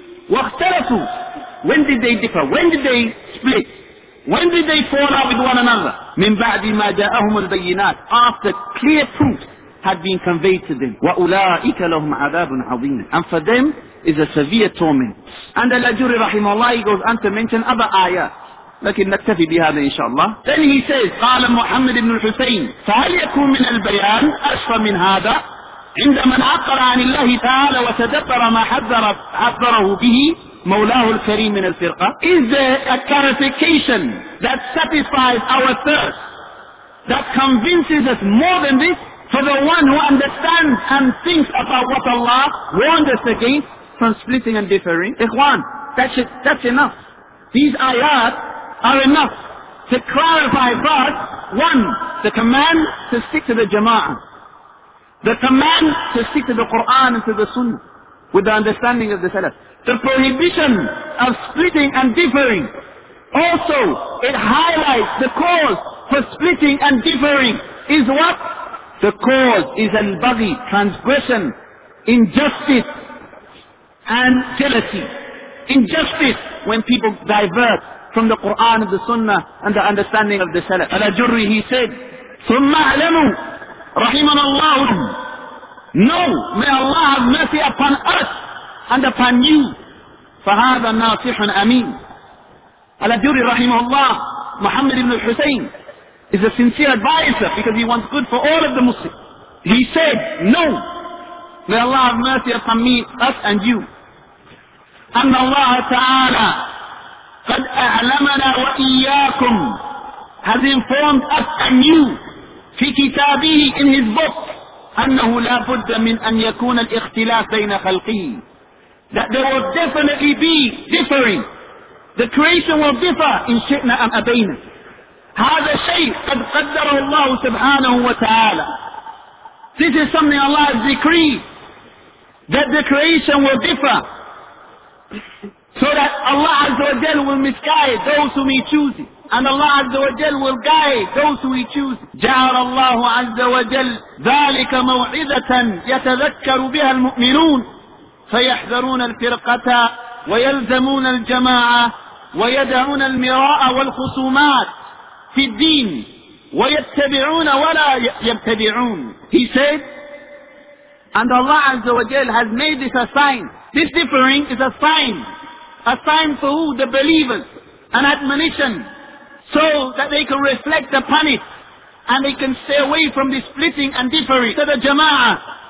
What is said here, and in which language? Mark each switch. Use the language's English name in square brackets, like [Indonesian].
[English] وَاخْتَلَفُوا. When did they differ? When did they split? When did they fall out with one another? [Arabic] مِنْ بَعْدِ مَا جَاءَهُمُ الْبَيِّنَاتِ. [English] After clear proof had been conveyed to them. [Arabic] وَأُولَٰئِكَ لَهُمْ عَذَابٌ عَظِيمٌ. [English] And for them is a severe torment. And Al-Ajuri rahimahullah, he goes on to mention other ayah. [Arabic] لكن نكتفي بهذا إن شاء الله. [English] Then he says, [Arabic] قال محمد بن الحسين فهل يكون من البيان أشفى من هذا عندما نعقر عن الله تعالى وتدبر ما حذره به مولاه الكريم من الفرقة. [English] Is there a clarification that satisfies our thirst, that convinces us more than this? For the one who understands and thinks about what Allah warned us against from splitting and differing, Ikhwan, that's enough. These ayat are enough to clarify for us, one, the command to stick to the Jama'ah, the command to stick to the Qur'an and to the Sunnah with the understanding of the Salaf, the prohibition of splitting and differing. Also, it highlights the cause for splitting and differing is what? The cause is al-baghi, transgression, injustice, and jealousy. Injustice when people divert from the Qur'an and the Sunnah and the understanding of the Salaf. Al-Ajurri, he said, [Arabic] ثُمَّ أَعْلَمُوا رَحِمَنَ اللَّهُ. [English] Know, may Allah have mercy upon us and upon you. [Arabic] فَهَذَا نَاصِحٌ أَمِينٌ. [English] Al-Ajurri, رَحِمَهُ اللَّهُ, Muhammad ibn al-Husayn is a sincere advisor because he wants good for all of the Muslims. He said, no, may Allah have mercy upon me, us and you. [Arabic] أن الله تعالى قد أعلمنا وإياكم [English] has informed us and you [Arabic] في كتابه [English] in his book [Arabic] أنه لا بد من أن يكون الاختلاف بين خلقه, [English] that there will definitely be differing, the creation will differ in [Arabic] شئنا أم أبينا. هذا شيء قد قدره الله سبحانه وتعالى. [English] This is something Allah has decreed that the creation will differ, so that Allah Azza wa Jal will misguide those whom He chooses, and Allah Azza wa Jal will guide those who He chooses. [Arabic] جعل الله عز وجل ذلك موعدة يتذكر بها المؤمنون فيحذرون الفرقة ويلزمون الجماعة ويدعون المراء والخصومات في الدين ويتبعون ولا يبتدعون. [English] He said, and Allah Azza wa Jal has made this a sign. This differing is a sign. A sign for who? The believers. An admonition. So that they can reflect upon it. And they can stay away from this splitting and differing. To the Jama'ah.